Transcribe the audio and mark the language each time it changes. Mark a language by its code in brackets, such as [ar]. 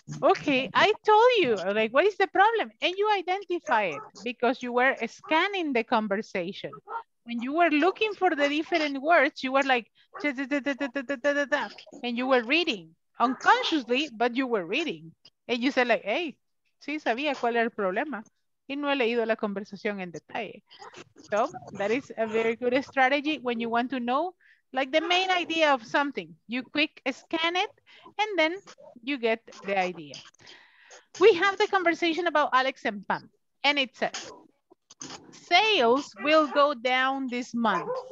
[en] Okay, I told you, like, what is the problem? And you identify it because you were scanning the conversation. When you were looking for the different words, you were like, and you were reading unconsciously, but you were reading. And you said, like, hey, [es] sí sabía cuál era el problema. Y no he leído la conversación en detalle. [en] So that is a very good strategy when you want to know, like, the main idea of something. You quick scan it and then you get the idea. We have the conversation about Alex and Pam, and it says, sales will go down this month.